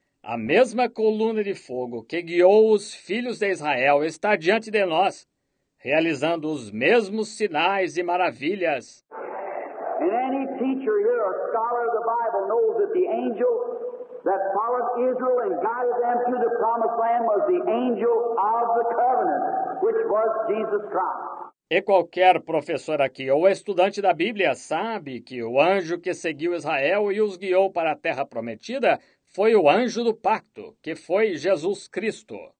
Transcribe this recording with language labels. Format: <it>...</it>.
<pt>A mesma coluna de fogo que guiou os filhos de Israel está diante de nós, realizando os mesmos sinais e maravilhas.</pt> <en>And any teacher here or scholar of the Bible knows that the angel that followed Israel and guided them to the promised land was the angel of the covenant, which was Jesus Christ.</en> <pt>E qualquer professor aqui ou estudante da Bíblia sabe que o anjo que seguiu Israel e os guiou para a Terra Prometida foi o anjo do pacto, que foi Jesus Cristo.</pt>